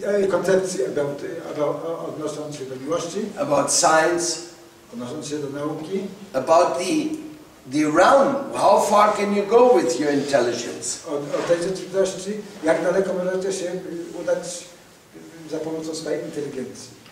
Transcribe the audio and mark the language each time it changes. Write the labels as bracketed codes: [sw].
[pl] Koncepcje [en] about [pl] odnosząc się do miłości, [en] about science, [pl] odnosząc się do nauki, [en] about the realm, how far can you go with your intelligence? [pl] O tej rzeczywistości, jak daleko możecie się udać za pomocą swojej inteligencji.